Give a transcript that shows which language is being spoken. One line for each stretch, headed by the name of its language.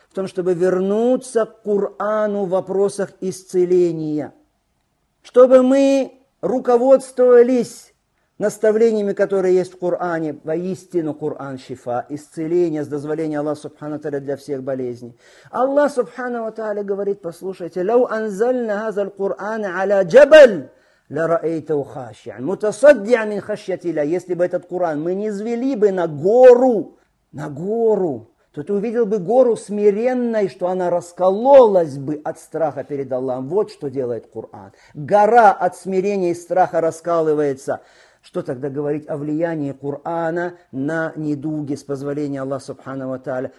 Russian: В том, чтобы вернуться к Корану в вопросах исцеления. чтобы мы руководствовались наставлениями, которые есть в Коране, воистину Коран шифа, исцеление с дозволения Аллаха Субхана Таля для всех болезней. Аллах Субхана Таля говорит, послушайте,
Arabic: لو أنزلنا هذا القرآن على جبل لرأيته خاشعا متصدعا من خشية الله.
Russian: Если бы этот Коран мы не звели бы на гору, то ты увидел бы гору смиренной, что она раскололась бы от страха перед Аллахом. Вот что делает Коран. Гора от смирения и страха раскалывается. Что тогда говорить о влиянии Корана на недуги, с позволения Аллаха Субхана ва Тааля?